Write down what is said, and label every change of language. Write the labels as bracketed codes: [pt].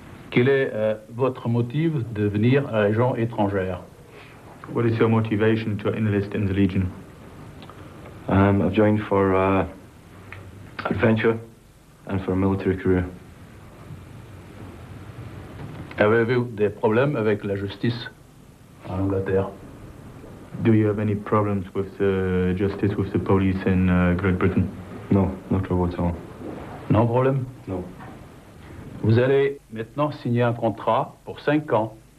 [fr] Quel est votre motif de venir à l'agent étrangère? [en] What is your motivation to enlist in the Legion? I've joined for adventure and for a military career. [fr] Avez-vous des problèmes avec la justice en Angleterre? [en] Do you have any problems with the justice, with the police in Great Britain? No, not trouble at all. No problem? No. [fr] Vous allez maintenant signer un contrat pour 5 ans.